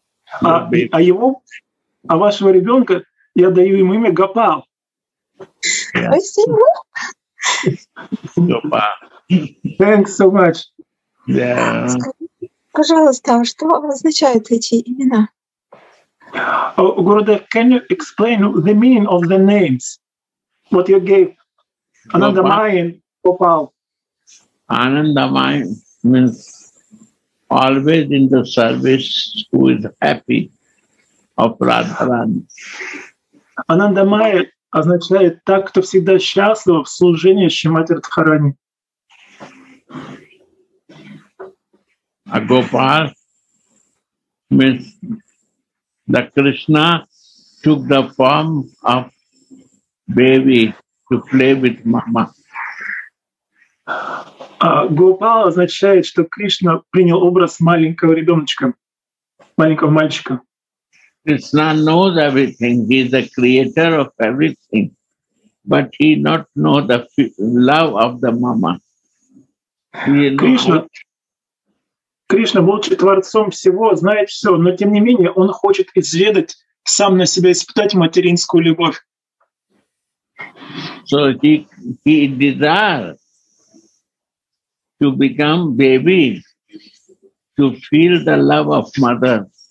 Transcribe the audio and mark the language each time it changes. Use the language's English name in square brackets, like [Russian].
[Russian] А его, а вашего ребенка я даю ему имя Гопал. [English] Yes. [Russian] Спасибо. [English] Thanks so much. Yeah. [Russian] Пожалуйста, что означают эти имена? [English] Gurudev, can you explain the meaning of the names? What you gave? Анандамай and Gopal. Анандамай means always in the service who is happy of Radharani. [Russian] Анандамай означает так, кто всегда счастлив в служении Шримати Радхарани. А [English] Гопал means the Krishna took the form of baby to play with mama. [Russian] А Гопал означает, что Кришна принял образ маленького ребеночка, маленького мальчика. [English] Krishna knows everything. He is the creator of everything, but he not know the love of the mama. Krishna, [Russian] Кришна, будучи творцом всего, знает все, но тем не менее он хочет изведать, сам на себя испытать материнскую любовь. [English] So he desires to become baby, to feel the love of mother.